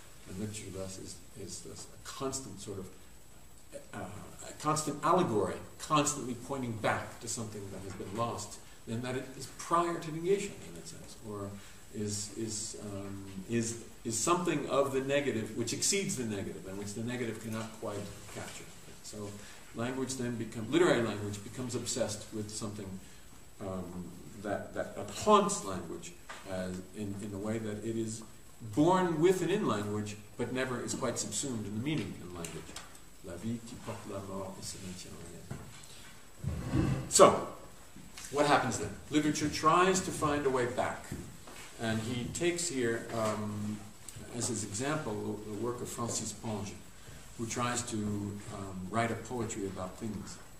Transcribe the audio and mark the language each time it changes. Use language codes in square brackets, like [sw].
[en] And literature thus is a constant sort of a constant allegory, constantly pointing back to something that has been lost, and that it is prior to negation in that sense, or is something of the negative which exceeds the negative and which the negative cannot quite capture. So language then becomes, literary language becomes obsessed with something that haunts language in a way that it is born with and in language, but never is quite subsumed in the meaning in language. [fr] La vie qui porte la mort et se maintient en elle. [en] So, what happens then? Literature tries to find a way back. And he takes here, as his example, the work of Francis Pange, who tries to write a poetry about things.